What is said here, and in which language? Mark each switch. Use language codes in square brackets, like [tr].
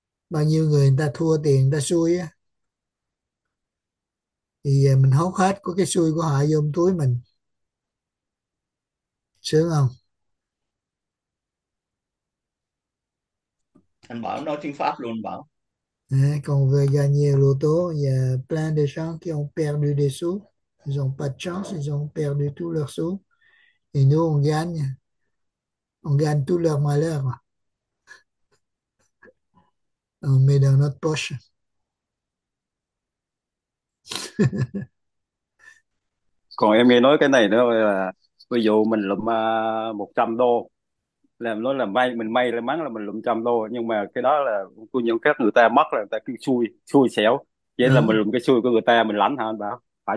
[vi] Bao nhiêu người người ta thua tiền người ta xui á, thì mình hốt hết của cái xui của họ vô túi mình, sướng không? Anh bảo nói tiếng Pháp luôn, bảo À, còn về [fr] gagner loto và plein de gens qui ont perdu des sous, ils ont pas de chance, ils ont perdu tous leurs sous, et nous on gagne tout leur malheur, on met dans notre poche. [vi] còn em nghe nói cái này nữa là ví dụ mình lụm 100 đô, làm nói là may, mình may là mắn là mình lụm 100 đô, nhưng mà cái đó là của những khách người ta mất là người ta cứ xui xui xẻo, vậy là mình Đó. lụm cái xui của người ta mình lãnh hả anh bảo, phải